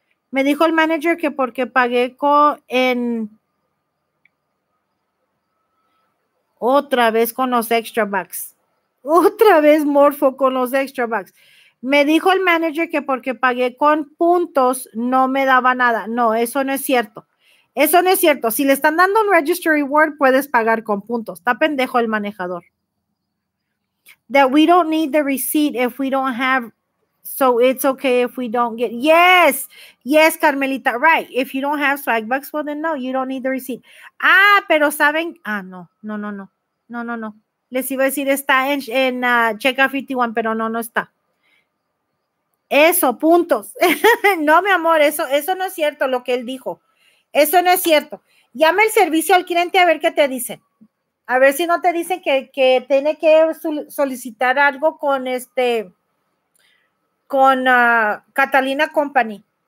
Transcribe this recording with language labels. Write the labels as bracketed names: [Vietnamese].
[Spanish] Me dijo el manager que porque pagué en otra vez con los extra bucks. Otra vez Morfo con los extra bucks. Me dijo el manager que porque pagué con puntos no me daba nada. No, eso no es cierto. Eso no es cierto. Si le están dando un Register Reward, puedes pagar con puntos. Está pendejo el manejador. [English] That we don't need the receipt if we don't have, so it's okay if we don't get, yes, yes, Carmelita, right. If you don't have swag bucks, well then no, you don't need the receipt. [Spanish] Ah, pero saben, ah, no, no, no, no, no, no, no. Les iba a decir, está en Checkout 51, pero no, no está. Eso, puntos. No, mi amor, eso no es cierto lo que él dijo. Eso no es cierto. Llama el servicio al cliente a ver qué te dicen. A ver si no te dicen que tiene que solicitar algo con este, con Catalina Company.